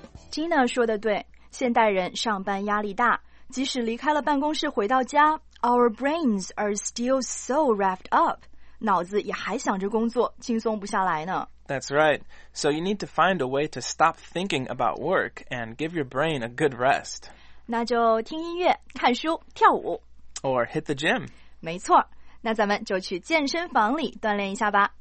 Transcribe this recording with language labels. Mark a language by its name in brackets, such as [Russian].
[Chinese] Gina 说的对，现代人上班压力大，即使离开了办公室回到家， [English] Our brains are still so revved up， [Chinese] 脑子也还想着工作，轻松不下来呢。 [English] That's right. So you need to find a way to stop thinking about work and give your brain a good rest. [Chinese] 那就听音乐、看书、跳舞 [English] Or hit the gym. [Chinese] 没错，那咱们就去健身房里锻炼一下吧。